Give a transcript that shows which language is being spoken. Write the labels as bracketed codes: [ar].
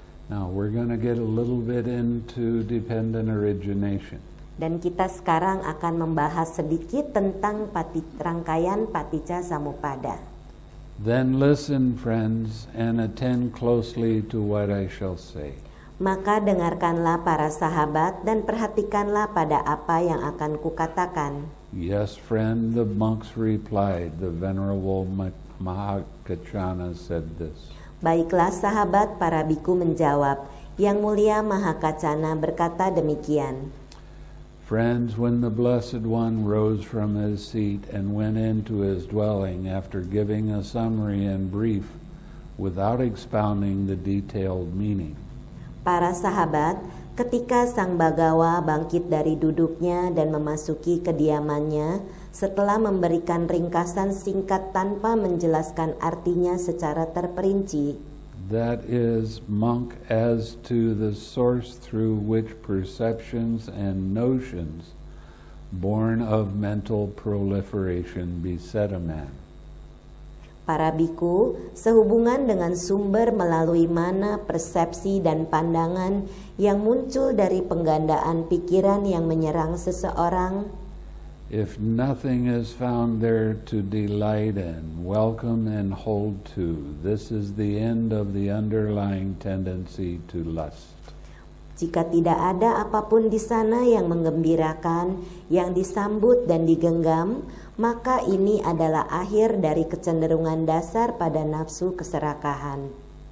[en] Now we're going to get a little bit into dependent origination. [id] Dan kita sekarang akan membahas sedikit tentang rangkaian Paticca Samuppada. [en] Then listen, friends, and attend closely to what I shall say. [id] Maka dengarkanlah para sahabat dan perhatikanlah pada apa yang akan kukatakan. [en] Yes, friend, the monks replied. The venerable Mahakacana said this. [id] Baiklah, sahabat, para biku menjawab. Yang mulia Mahakacana berkata demikian. [en] Friends, when the Blessed One rose from his seat and went into his dwelling after giving a summary in brief without expounding the detailed meaning. [id] Para sahabat, ketika Sang Bhagawa bangkit dari duduknya dan memasuki kediamannya setelah memberikan ringkasan singkat tanpa menjelaskan artinya secara terperinci. [en] That is, monk, as to the source through which perceptions and notions born of mental proliferation beset a man. [id] Para biku, sehubungan dengan sumber melalui mana persepsi dan pandangan yang muncul dari penggandaan pikiran yang menyerang seseorang. [en] If nothing is found there to delight in, welcome and hold to, this is the end of the underlying tendency to lust. [id] Jika tidak ada apapun di sana yang menggembirakan, yang disambut dan digenggam, maka ini adalah akhir dari kecenderungan dasar pada nafsu keserakahan.